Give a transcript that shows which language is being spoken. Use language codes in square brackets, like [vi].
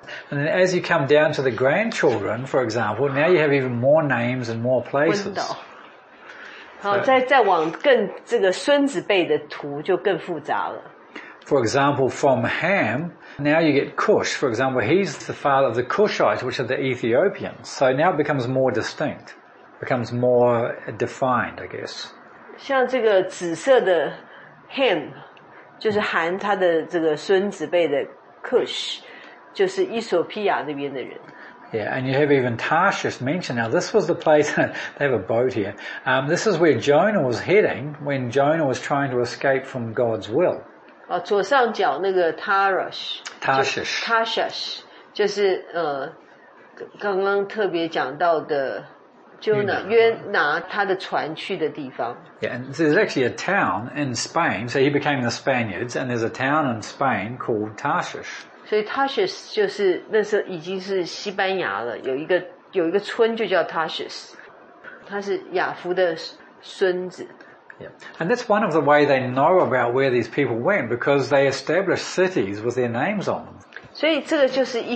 [en] And then as you come down to the grandchildren for example now you have even more names and more places [zh] 温岛好再往更这个孙子辈的图就更复杂了 [en] For example from Ham Now you get Cush, for example, he's the father of the Cushites, which are the Ethiopians. So now it becomes more distinct, becomes more defined, I guess. [zh] 像这个紫色的 Ham, 就是含他的这个孙子辈的 Cush, 就是伊索比亚那边的人。 [en] Yeah, and you have even Tarshish mentioned. Now, this was the place, they have a boat here. This is where Jonah was heading when Jonah was trying to escape from God's will. [zh] 左上角那个 Tarshish Tarshish Tarshish 就是刚刚特别讲到的约拿他的船去的地方。 [en] Yeah, and there's actually a town in Spain, so he became the Spaniards, and there's a town in Spain called Tarshish. [zh] 所以 Tarshish 就是那时候已经是西班牙了，有一个村就叫 Tarshish， 他是亚夫的孙子。 [en] Yeah. And that's one of the way they know about where these people went, because they established cities with their names on them.